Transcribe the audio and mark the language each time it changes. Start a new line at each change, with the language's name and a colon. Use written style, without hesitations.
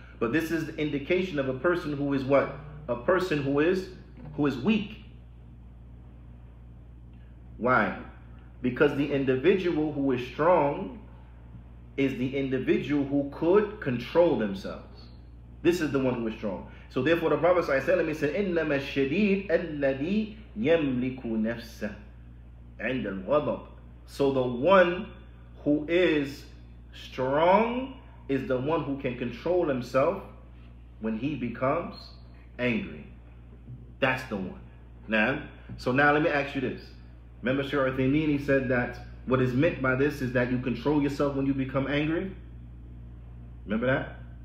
English: But this is the indication of a person who is what? A person who is weak. Why? Because the individual who is strong is the individual who could control themselves. This is the one who is strong. So therefore the Prophet ﷺ, he said,
Arabic: إِنَّمَا الشَّدِيدُ الَّذِي يَمْلِكُ نَفْسَهُ عِنْدَ الْغَضَبُ.
English: So the one who is strong is the one who can control himself when he becomes angry. That's the one. Now, so now let me ask you this. Remember Sheikh Uthaymeen, he said that what is meant by this is that you control yourself when you become angry? Remember that?